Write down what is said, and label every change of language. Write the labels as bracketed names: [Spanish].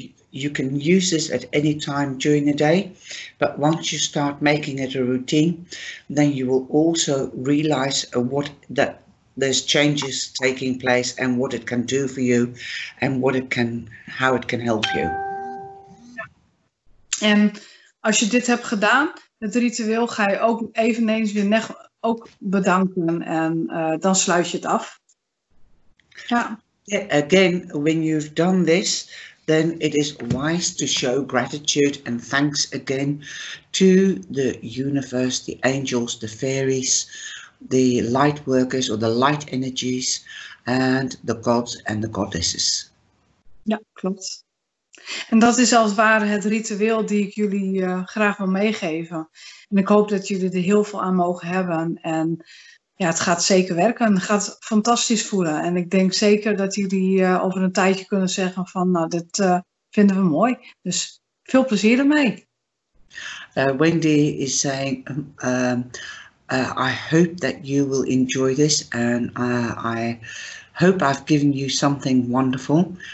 [English] You can use this at any time during the day, but once you start making it a routine, then you will also realize what that there's changes taking place and what it can do for you and what it can how it can help you. [Dutch] En als je dit hebt gedaan, het ritueel, ga je ook eveneens weer ook bedanken en dan sluit je het af. Ja. [English] Yeah, again, when you've done this, then it is wise to show gratitude and thanks again to the universe, the angels, the fairies, the light workers or the light energies, and the gods and the goddesses. [Dutch] Ja, klopt. En dat is als het ware het ritueel die ik jullie graag wil meegeven. En ik hoop dat jullie er heel veel aan mogen hebben. En ja, het gaat zeker werken. Het gaat fantastisch voelen. En ik denk zeker dat jullie over een tijdje kunnen zeggen van, nou, dit vinden we mooi. Dus veel plezier ermee. [English] Wendy is saying, I hope that you will enjoy this. And I hope I've given you something wonderful.